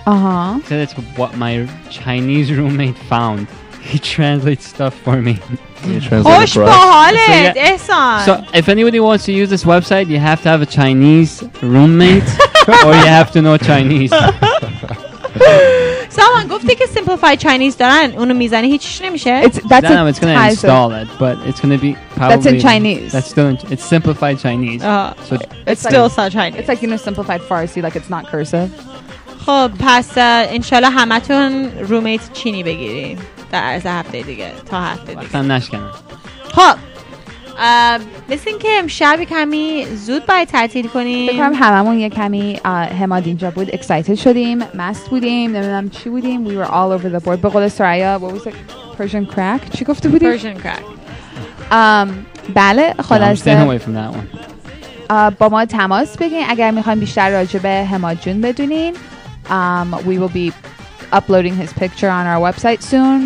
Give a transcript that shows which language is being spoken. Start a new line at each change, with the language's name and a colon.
English: Uh-huh. He said it's what my Chinese roommate found. He translates stuff for me.
Persian: خوش با حالت احسان.
English: So if anybody wants to use this website, you have to have a Chinese roommate or you have to know Chinese.
Persian: سامان گفتی که simplified Chinese دارن، اونو میزنی هیچش نمیشه.
English: It's gonna title. Install it, but it's gonna be probably that's in Chinese. That's still in, it's simplified Chinese. So it's still like, not Chinese. It's like you know simplified Farsi, like it's not cursive.
Persian: خب پس انشالله همتون رومیت چینی بگیریم در از هفته دیگه تا هفته دیگه. اصلا نشکنه. خب مثل این که امشب کمی زود باید تعطیل کنیم. بکنم هممون یه کمی حماد اینجا بود اکسایتد شدیم، مست بودیم، نمیدونم چی بودیم.
English: We were all over the board.
Persian: به قول سرایا
English: what was it?
Persian: Persian crack چی گفته بودیم؟ Persian crack. بله خلاصه
English: I'm staying away from that one.
Persian: با ما تماس بگیم اگر میخوایم بیشتر راجب حماد جون بدونیم.
English: We will be uploading his picture on our website soon.